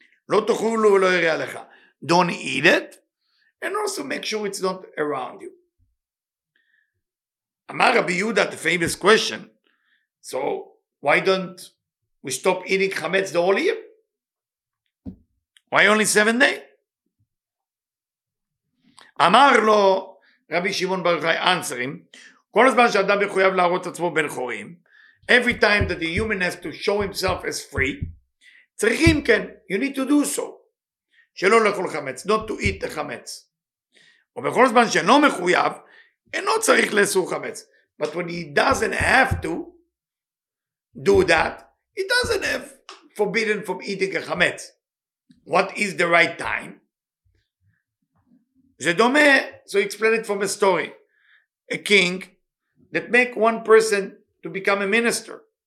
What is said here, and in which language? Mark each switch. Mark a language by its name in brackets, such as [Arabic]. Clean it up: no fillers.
[Hebrew] לא תאכלו ולא יראה לך. [English] Don't eat it. And also make sure it's not around you. [Hebrew] אמר רבי יהודה, [English] the famous question. So why don't we stop eating חמץ the whole year? Why only 7 days? [Hebrew] אמר לו רבי שמעון בר יוחאי, [English] answering, [Hebrew] כל הזמן שאדם מחויב להראות עצמו בן חורין, [English] every time that the human has to show himself as free, [Hebrew] צריכים כן, [English] you need to do so. [Hebrew] שלא לאכול חמץ, [English] not to eat the חמץ. [Hebrew] ובכל זמן שאינו מחויב, אינו צריך לאסור חמץ. [English] But when he doesn't have to do that, he doesn't have forbidden from eating a חמץ. What is the right time? [Hebrew] זה דומה, [English] so explain it from a story. A king that make one person to become a minister.